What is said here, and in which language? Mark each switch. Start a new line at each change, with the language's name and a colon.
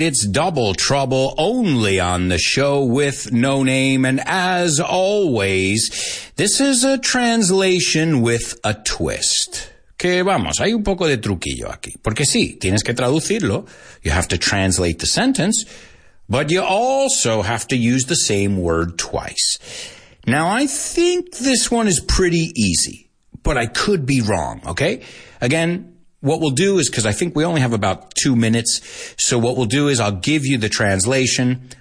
English: It's Double Trouble, only on the show with no name. And as always, this is a translation with a twist.
Spanish: Que vamos, hay un poco de truquillo aquí. Porque sí, tienes que traducirlo.
English: You have to translate the sentence. But you also have to use the same word twice. Now, I think this one is pretty easy. But I could be wrong, okay? Again, what we'll do is, because I think we only have about 2 minutes, so what we'll do is I'll give you the translation.